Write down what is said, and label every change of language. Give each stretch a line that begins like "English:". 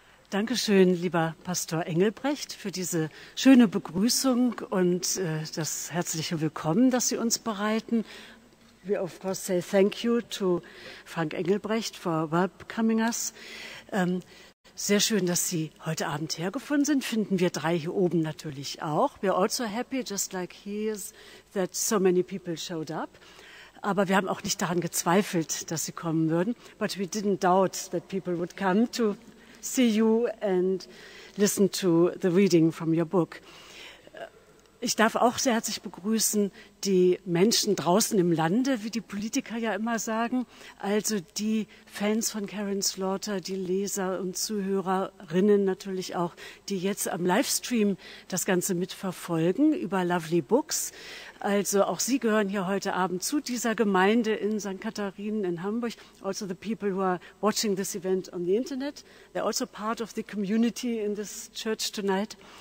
German: Dankeschön, lieber Pastor Engelbrecht, für diese schöne Begrüßung und das herzliche Willkommen, das Sie uns bereiten.
English: We of course say thank you to Frank Engelbrecht for welcoming us.
German: Sehr schön, dass Sie heute Abend hergefunden sind, finden wir drei hier oben natürlich auch.
English: We're also happy, just like he is, that so many people showed up.
German: Aber wir haben auch nicht daran gezweifelt, dass Sie kommen würden.
English: But we didn't doubt that people would come to see you and listen to the reading from your book.
German: Ich darf auch sehr herzlich begrüßen die Menschen draußen im Lande, wie die Politiker ja immer sagen, also die Fans von Karin Slaughter, die Leser und Zuhörerinnen natürlich auch, die jetzt am Livestream das Ganze mitverfolgen über Lovely Books. Also auch Sie gehören hier heute Abend zu dieser Gemeinde in St. Katharinen in Hamburg.
English: Also the people who are watching this event on the internet, they're also part of the community in this church tonight.